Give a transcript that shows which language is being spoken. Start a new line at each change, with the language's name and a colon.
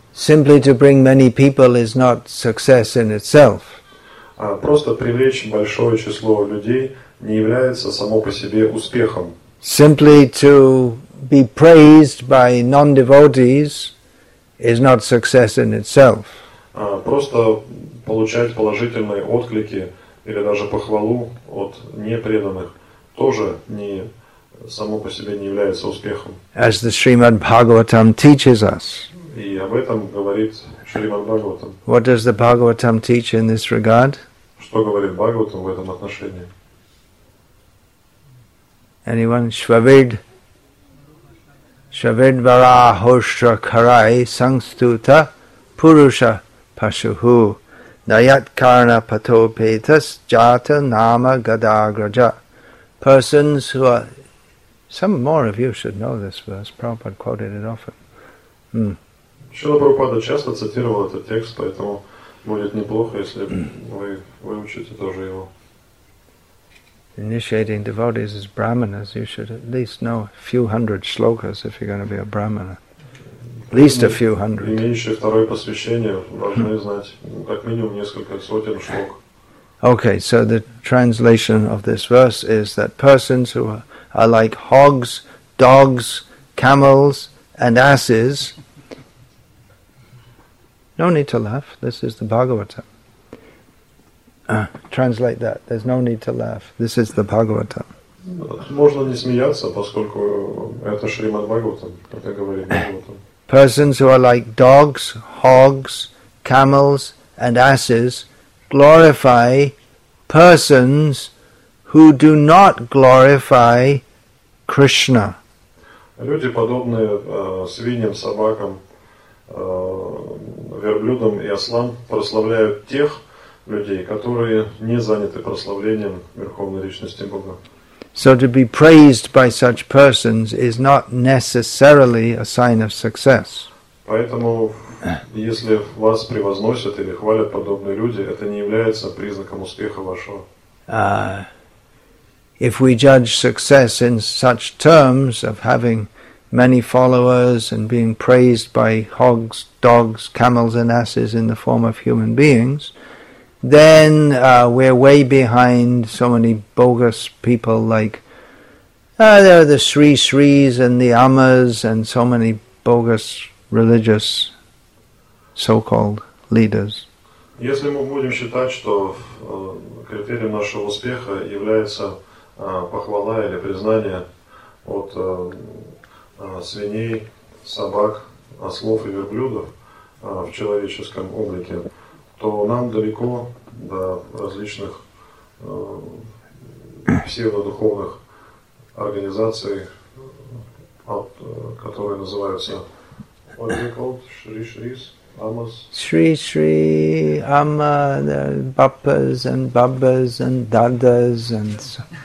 English: Simply to bring many people is not success in itself.
Russian: Просто привлечь большое число людей не является само по себе успехом.
English: Simply to be praised by non-devotees is not success in itself.
Russian: Просто получать положительные отклики или даже похвалу от непреданных тоже не само по себе не является успехом.
English: As the Srimad Bhagavatam teaches us.
Russian: И об этом говорит Шримад Бхагаватам.
English: What does the Bhagavatam teach in this regard?
Russian: Что говорит Бхагаватам в этом отношении?
English: Anyone?
Sanskrit: Shvavid. Shvavid vara hoshtra karai sangstuta purusha pashuhu nayat karna patopetas jata nama gadagraja.
English: Persons who are... Some more of you should know this verse. Prabhupada quoted it often.
Russian: Шрила Прабхупада часто цитировал этот текст, поэтому будет неплохо, если вы выучите тоже его.
English: Initiating devotees as brahmanas, you should at least know a few hundred shlokas if you're going to be a brahmana. At least a few hundred.
Russian: Имеющие второе посвящение должны знать как минимум несколько сотен шлок.
English: Okay, so the translation of this verse is that persons who are like hogs, dogs, camels, and asses. No need to laugh, this is the Bhagavatam. Translate that, there's no need to laugh, this is the Bhagavatam.
Russian: Можно не смеяться, поскольку это Шримад Бхагаватам, как я говорю, Бхагаватам.
English: Persons who are like dogs, hogs, camels, and asses glorify persons who do not glorify Krishna.
Russian: Люди, подобные свиньям, собакам, верблюдам и ослам прославляют тех людей, которые не заняты прославлением Верховной Личности Бога.
English: So to be praised by such persons is not necessarily a sign of success.
Russian: Поэтому, если вас превозносят или хвалят подобные люди, это не является признаком успеха вашего.
English: If we judge success in such terms of having many followers and being praised by hogs, dogs, camels and asses in the form of human beings, then we're way behind so many bogus people like there are the Sri Sris and the Amas and so many bogus religious so-called leaders.
Russian: Если мы будем считать, что критерием нашего успеха является похвала или признание от свиней, собак, ослов и верблюдов в человеческом облике, то нам далеко до различных псевдодуховных организаций, которые называются
English: what are they called?
Russian: Shri Shris, Amas.
English: Shri Shri, Amma, the Bappas and Babas and Dadas and so,